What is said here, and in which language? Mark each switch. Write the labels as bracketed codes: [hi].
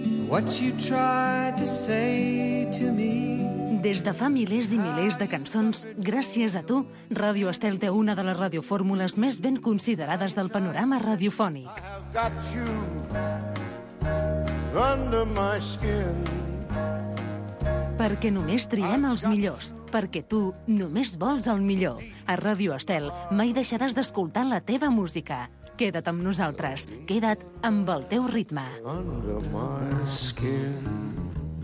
[en] What you tried to say to me. [ca] Des de fa milers i milers de cançons, gràcies a tu, Ràdio Estel té una de les radiofórmules més ben considerades del panorama radiofònic. [en] I have got you under my skin. [ca] Perquè només triem els millors, perquè tu només vols el millor. A Ràdio Estel mai deixaràs d'escoltar la teva música. Queda't amb nosaltres, queda't amb el teu ritme. [en] Under my skin.